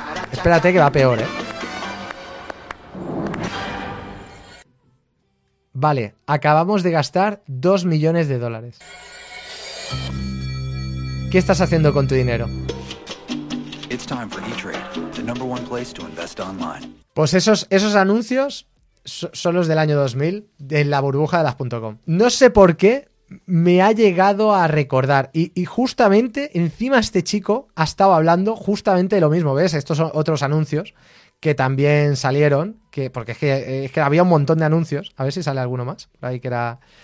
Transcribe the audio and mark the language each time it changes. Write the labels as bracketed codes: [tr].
[es] Espérate que va peor, ¿eh? Vale, acabamos de gastar 2 millones de dólares. ¿Qué estás haciendo con tu dinero? [en] It's time for E-Trade, the number one place to invest online. [es] Pues esos anuncios son los del año 2000, de la burbuja de las .com. No sé por qué me ha llegado a recordar. Y justamente, encima este chico ha estado hablando justamente de lo mismo. ¿Ves? Estos son otros anuncios que también salieron, porque es que había un montón de anuncios. A ver si sale alguno más, por ahí que era